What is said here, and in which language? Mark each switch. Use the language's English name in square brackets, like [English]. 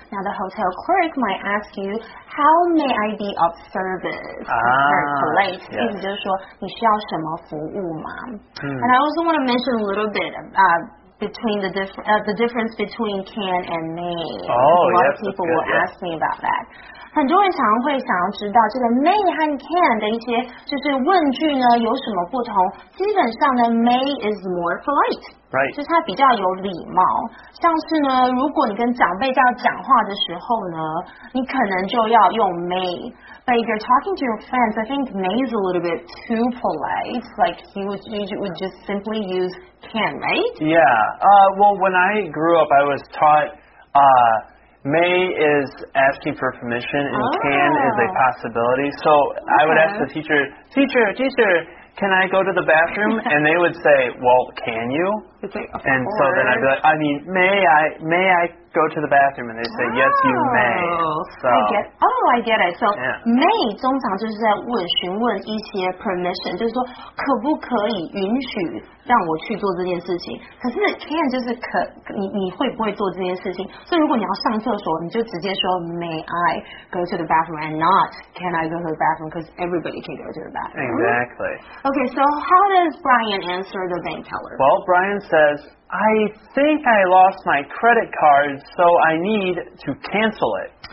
[English] Now the hotel clerk might ask you, "How may I be of service?" Polite. [Chinese] 意思就是说你需要什么服务吗？ [English] And I also want to mention a little bit the difference between can and may. Oh, yes. A lot of people will ask me about that. [Chinese] 很多人常会想要知道这个 may 和 can 的一些就是问句呢有什么不同。基本上呢 [English] may is more polite. Right. [Chinese] 就是它比较有礼貌。像是呢如果你跟长辈要讲话的时候呢你可能就要用 may. [English] But if you're talking to your friends, I think may is a little bit too polite. Like you would just simply use can, right? Yeah. Well, when I grew up, I was taught... May is asking for permission, and can is a possibility. So I would ask the teacher, can I go to the bathroom? And they would say, well, can you? And so then I'd be like, may I go to the bathroom? And they'd say, yes, you may. I get it. So [Chinese] may 通常就是在问询问一些 permission, 就是说可不可以允许让我去做这件事情。可是 can 就是可你会不会做这件事情。所以如果你要上厕所你就直接说 [English] may I go to the bathroom and not can I go to the bathroom because everybody can go to the bathroom. Exactly. Okay, so how does Brian answer the bank teller? Well, Brian says, I think I lost my credit card, so I need to cancel it.